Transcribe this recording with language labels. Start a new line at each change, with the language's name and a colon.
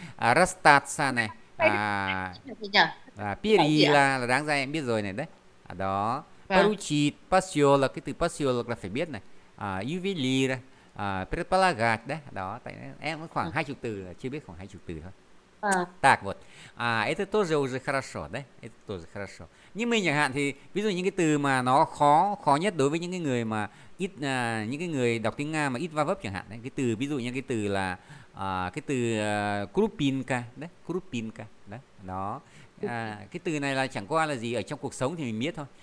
Vietnamese: À, Rastatsa này, bảo gì Piri ạ là đáng ra em biết rồi này đấy. À, đó, vâng Paruchit, Pasio là cái từ Pasio là phải biết này. À, Yuvili, Predpalagat đấy, đó, tại em khoảng 20 từ, chưa biết khoảng 20 từ thôi. à.
Russian: Так вот, это тоже уже хорошо, да? Это тоже хорошо.
Vietnamese: Nhưng mình chẳng hạn thì ví dụ những cái từ mà nó khó khó nhất đối với những cái người mà ít những cái người đọc tiếng Nga mà ít va vấp chẳng hạn đấy. Cái từ ví dụ như cái từ là cái từ Krupinka đấy, Krupinka đấy. Đó. Cái từ này là chẳng qua là gì, ở trong cuộc sống thì mình biết thôi.